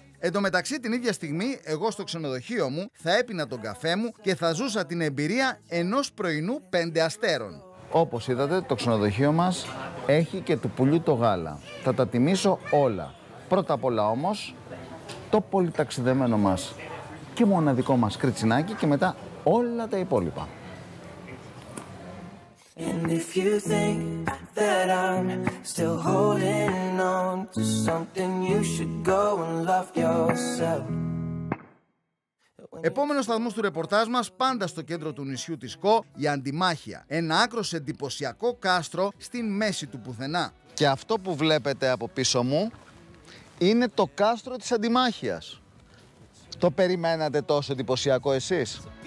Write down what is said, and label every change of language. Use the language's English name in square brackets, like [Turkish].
[Greek] Εν τω μεταξύ, την ίδια στιγμή, εγώ στο ξενοδοχείο μου θα έπινα τον καφέ μου και θα ζούσα την εμπειρία ενός πρωινού πέντε αστέρων. Όπως είδατε, το ξενοδοχείο μας έχει και του πουλιού το γάλα. Θα τα τιμήσω όλα. Πρώτα απ' όλα όμως, το πολυταξιδεμένο μας και μοναδικό μας κριτσινάκι και μετά όλα τα υπόλοιπα. [English] And if you think that I'm still holding on to something, you should go and love yourself. [Greek] Επόμενος σταθμός του ρεπορτάζ μας, πάντα στο κέντρο του νησιού της Κο, η Αντιμάχια. Ένα άκρος εντυπωσιακό κάστρο στη μέση του πουθενά. Και αυτό που βλέπετε από πίσω μου είναι το κάστρο της Αντιμάχιας. Το περιμένατε τόσο εντυπωσιακό εσείς?